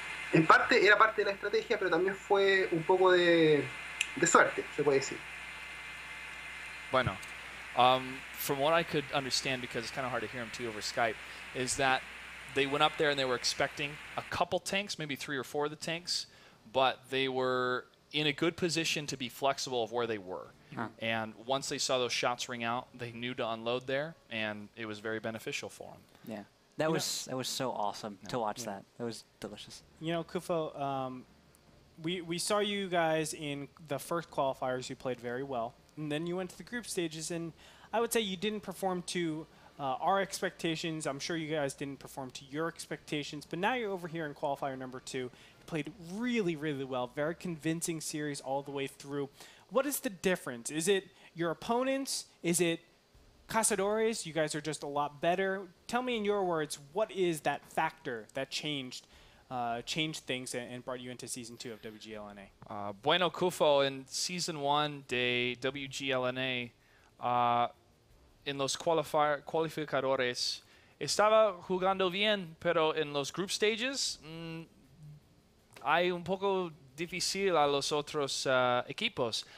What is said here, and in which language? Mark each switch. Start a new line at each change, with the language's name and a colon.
Spanish: En parte era parte de la estrategia, pero también fue un poco de suerte, se puede decir.
English: Bueno, from what I could understand, because it's kind of hard to hear him too over Skype, is that they went up there and they were expecting a couple tanks, maybe 3 or 4 of the tanks, but they were in a good position to be flexible of where they were. Huh. And once they saw those shots ring out, they knew to unload there, and it was very beneficial for them. Yeah. That was so awesome to watch. That was delicious. You know, Kufo, we saw you guys in the first qualifiers. You played very well. And then you went to the group stages, and I would say you didn't perform to our expectations. I'm sure you guys didn't perform to your expectations. But now you're over here in qualifier number two. You played really, really well. Very convincing series all the way through. What is the difference? Is it your opponents? Is it Cazadores? You guys are just a lot better. Tell me in your words, what is that factor that changed things and brought you into season two of WGLNA?
Spanish: Bueno, Kufo,
English: in season one
Spanish: de WGLNA, en los qualificadores, estaba jugando bien, pero en los group stages, hay un poco difícil a los otros equipos.